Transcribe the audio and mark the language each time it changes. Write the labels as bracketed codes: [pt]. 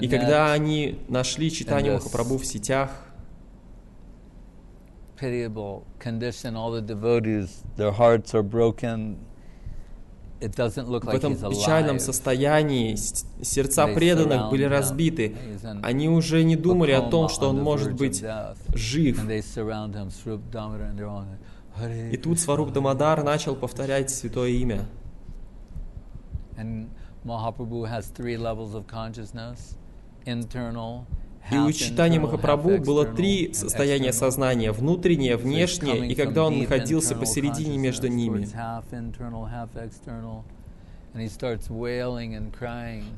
[ru] И когда они нашли читание Махапрабху в сетях, [en] pitiable condition, all the devotees, their hearts are broken. It doesn't look like he's alive. [ru] В этом печальном состоянии сердца преданных были разбиты. Они уже не думали о том, что он может быть жив. [en] And they surround him, Swarup Damodar, and they're all like, Hare. [ru] И тут Сваруп Дамодар начал повторять святое имя. [en] Mahaprabhu has three levels of consciousness: internal, half internal. [ru] И у читания Махапрабху было три состояния сознания: внутреннее, внешнее, и когда он находился посередине между ними. [en] Half internal, half external, and he starts wailing and crying.